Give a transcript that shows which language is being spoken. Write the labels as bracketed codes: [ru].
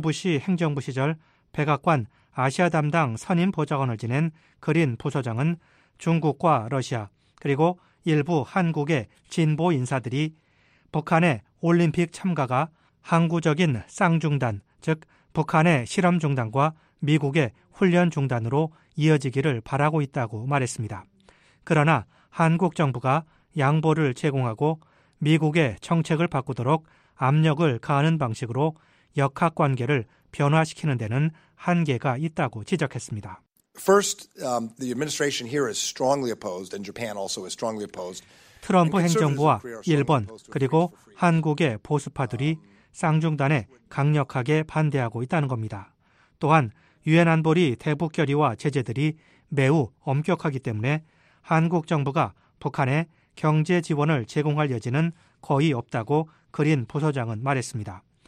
[ko] 부시 행정부 시절 백악관 아시아 담당 선임 보좌관을 지낸 그린 부서장은 중국과 러시아 그리고 일부 한국의 진보 인사들이 북한의 올림픽 참가가 항구적인 쌍중단, 즉 북한의 실험 중단과 미국의 훈련 중단으로 이어지기를 바라고 있다고 말했습니다. 그러나 한국 정부가 양보를 제공하고 미국의 정책을 바꾸도록 압력을 가하는 방식으로 역학관계를 변화시키는 데는 한계가 있다고 지적했습니다. [en] First, the administration here is strongly opposed, and Japan also is strongly opposed. [ko] 트럼프 행정부와 일본 그리고 한국의 보수파들이 쌍중단에 강력하게 반대하고 있다는 겁니다. 또한 유엔 안보리 대북 결의와 제재들이 매우 엄격하기 때문에 한국 정부가 북한에 경제 지원을 제공할 여지는 거의 없다고 그린 부서장은 말했습니다.